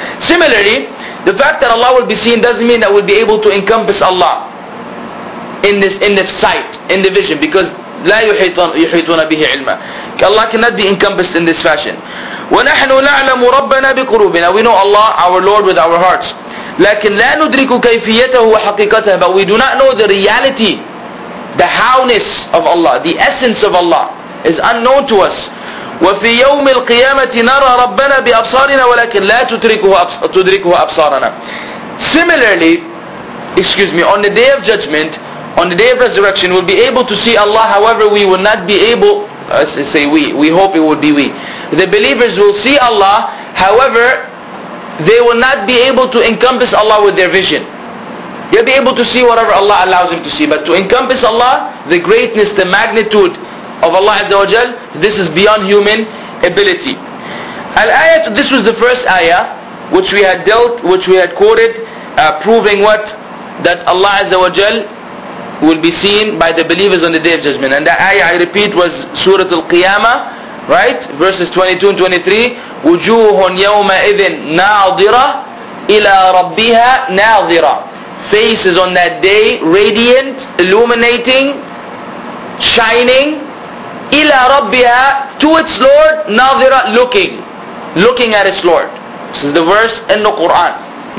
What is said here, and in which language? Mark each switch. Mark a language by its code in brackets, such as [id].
[en] Similarly, the fact that Allah will be seen doesn't mean that we'll be able to encompass Allah in the sight, in the vision, because [ar] لا يحيطون به علما. [en] Allah cannot be encompassed in this fashion. [ar] ونحن نعلم ربنا بقلوبنا. [en] We know Allah, our Lord, with our hearts. [ar] لكن لا ندرك كيفيته وحقيقته. [en] But we do not know the reality, the howness of Allah, the essence of Allah is unknown to us. [ar] وفي يوم القيامة نرى ربنا بأبصارنا ولكن لا تدركه أبصارنا. [en] Similarly, excuse me, on the day of judgment, on the day of resurrection, we'll be able to see Allah. However, we will not be able, the believers will see Allah. However, they will not be able to encompass Allah with their vision. They'll be able to see whatever Allah allows them to see. But to encompass Allah, the greatness, the magnitude of Allah Azza wa Jal, this is beyond human ability. Al-ayat, this was the first ayah which we had quoted, proving what? That Allah Azza wa Jal will be seen by the believers on the Day of Judgment. And the ayah, I repeat, was Surah Al-Qiyamah, right? Verses 22 and 23. [ar] وجوه يوم إذن ناظرة إلى ربها ناظرة. [en] Faces on that day, radiant, illuminating, shining. [ar] إلى ربها, [en] to its Lord, ناظرة, looking at its Lord. This is the verse in the Quran.